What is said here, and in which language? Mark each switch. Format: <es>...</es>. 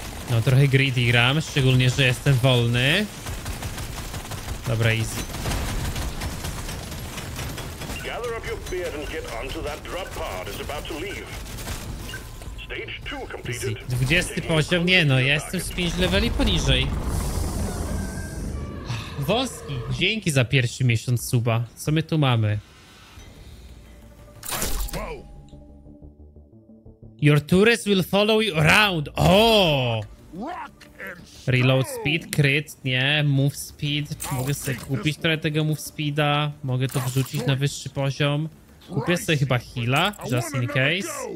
<pl>No, trochę greedy gram, szczególnie, że jestem wolny. Dobra, easy.</pl> <en>Gather up your beard and get onto that drop pod. It's about to leave. Stage 2 completed.</en> <pl>20 poziom? Nie no, ja jestem z 5 leveli poniżej. Wąski, dzięki za pierwszy miesiąc suba. Co my tu mamy?</pl> <en>Your tourists will follow you around. O!</en> <pl>Reload speed, crit, nie, move speed, mogę sobie kupić trochę tego move speeda, mogę to wrzucić na wyższy poziom. Kupię sobie chyba heala,</pl> <en>just in case.</en>